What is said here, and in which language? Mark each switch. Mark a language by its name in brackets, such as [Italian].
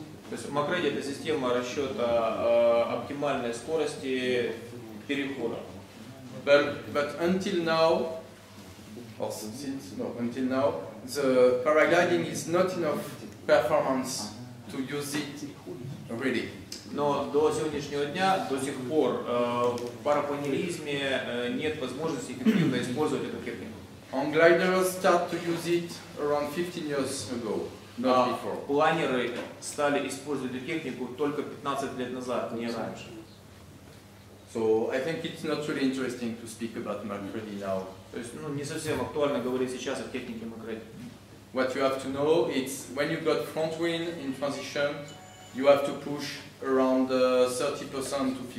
[English] MicroD is a system of [Russian] расчета [English] optimal [Russian] скорости перехода. [English] But until now, the paragliding is not enough performance to use it really. [Russian] Но до сегодняшнего дня, до сих пор, в парапланеризме нет возможности эффективно использовать эту технику. [English] On gliders start to use it around 15 years ago, not before. [Russian] Планеры стали использовать эту технику только 15 лет назад, не раньше. [English] So I think it's not really interesting to speak about MacReady now. [Russian] То есть, ну, не совсем актуально говорить сейчас о технике MacReady. [English] What you have to know is when you got front wind in transition, you have to push around 30% to 50%.